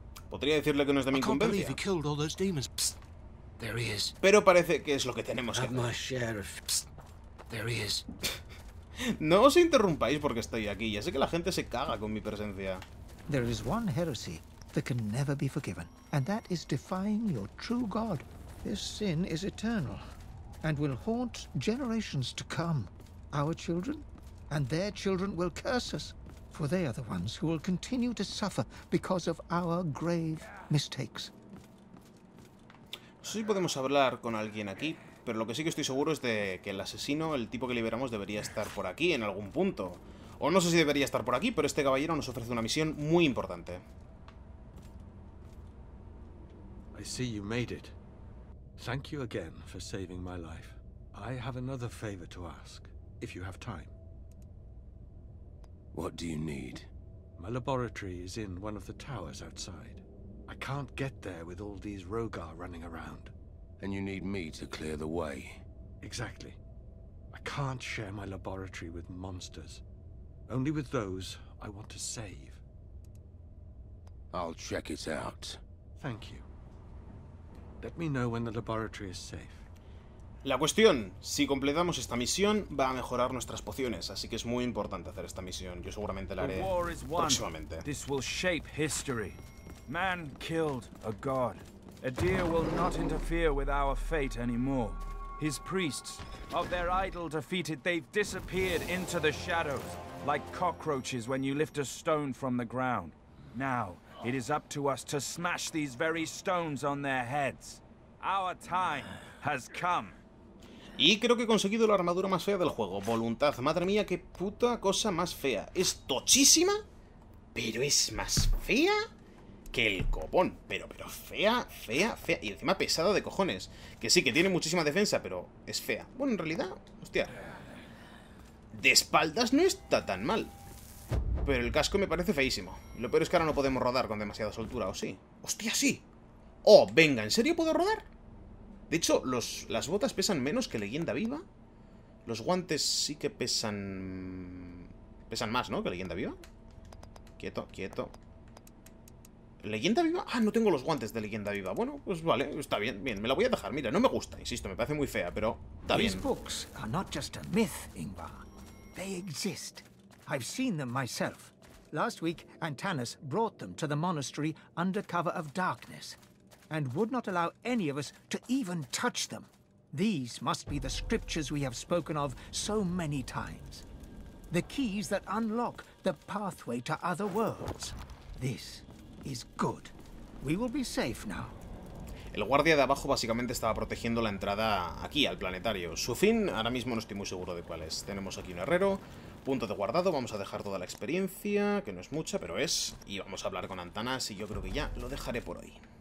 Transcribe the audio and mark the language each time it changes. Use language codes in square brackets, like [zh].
[es] Podría decirle que no es de mi incumbencia. [en] He killed all those demons. Psst. There he is. [es] Pero parece que es lo que tenemos que [en] hacer. My sheriff. Psst. There he is. [es] No os interrumpáis porque estoy aquí. Ya sé que la gente se caga con mi presencia. [en] There is one heresy that can never be forgiven, and that is defying your true God. This sin is eternal and will haunt generations to come. Our children and their children will curse us. For they are the ones who will continue to suffer because of our grave mistakes. [es] No sé si podemos hablar con alguien aquí, pero lo que sí que estoy seguro es de que el asesino, el tipo que liberamos, debería estar por aquí en algún punto. O no sé si debería estar por aquí, pero este caballero nos ofrece una misión muy importante. [en] I see you made it. Thank you again for saving my life. I have another favor to ask, if you have time. What do you need? My laboratory is in one of the towers outside. I can't get there with all these Rogar running around. And you need me to clear the way. Exactly. I can't share my laboratory with monsters. Only with those I want to save. I'll check it out. Thank you. Let me know when the laboratory is safe. [es] La cuestión, si completamos esta misión, va a mejorar nuestras pociones, así que es muy importante hacer esta misión. Yo seguramente la haré próximamente. [en] This will shape history. Man killed a god. Adir will not interfere with our fate anymore. His priests, of their idol defeated, they've disappeared into the shadows, like cockroaches when you lift a stone from the ground. Now, it is up to us to smash these very stones on their heads. Our time has come. [es] Y creo que he conseguido la armadura más fea del juego. Voluntad. Madre mía, qué puta cosa más fea. Es tochísima, pero es más fea que el copón. Pero fea, fea, fea. Y encima pesada de cojones. Que sí, que tiene muchísima defensa, pero es fea. Bueno, en realidad, hostia. De espaldas no está tan mal. Pero el casco me parece feísimo. Y lo peor es que ahora no podemos rodar con demasiada soltura, ¿o sí? Hostia, sí. Oh, venga, ¿en serio puedo rodar? De hecho, las botas pesan menos que Leyenda Viva. Los guantes sí que pesan... pesan más, ¿no? Que Leyenda Viva. Quieto, quieto. ¿Leyenda Viva? Ah, no tengo los guantes de Leyenda Viva. Bueno, pues vale, está bien, bien. Me la voy a dejar. Mira, no me gusta, insisto, me parece muy fea, pero está bien. [en] These books are not just a myth, Ingvar. They exist. I've seen them myself. Last week, Antanas brought them to the monastery under cover of darkness. And would not allow any of us to even touch them. These must be the scriptures we have spoken of so many times. The keys that unlock the pathway to other worlds. This is good. We will be safe now. [es] El guardia de abajo básicamente estaba protegiendo la entrada aquí, al planetario. Su fin, ahora mismo no estoy muy seguro de cuál es. Tenemos aquí un herrero, punto de guardado, vamos a dejar toda la experiencia, que no es mucha, pero es. Y vamos a hablar con Antanas y yo creo que ya lo dejaré por hoy.